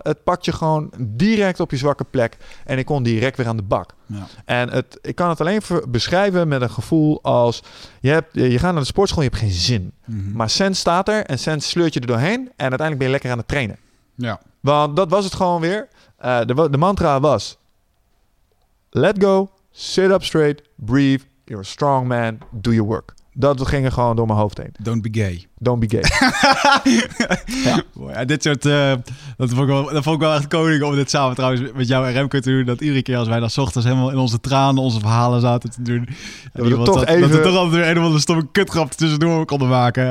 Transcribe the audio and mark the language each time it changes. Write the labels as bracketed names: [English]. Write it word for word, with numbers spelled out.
[Dutch] Het pakt je gewoon direct op je zwakke plek. En ik kon direct weer aan de bak. Ja. En het, ik kan het alleen beschrijven met een gevoel als... je, hebt, je gaat naar de sportschool, je hebt geen zin. Mm-hmm. Maar Sens staat er en Sens sleurt je er doorheen. En uiteindelijk ben je lekker aan het trainen. Ja. Want dat was het gewoon weer. Uh, de, de mantra was... [English] let go, sit up straight, breathe, you're a strong man, do your work. [Dutch] Dat ging er gewoon door mijn hoofd heen. [English] Don't be gay. Don't be gay. [Dutch] ja. Boy, ja, dit soort... Uh, dat, vond ik wel, dat vond ik wel echt koning om dit samen trouwens met jou en Remco te doen. Dat iedere keer als wij dan 's ochtends helemaal in onze tranen onze verhalen zaten te doen. Dat we toch dat, even... dat we toch altijd weer een of andere stomme kutgrap tussendoor konden maken.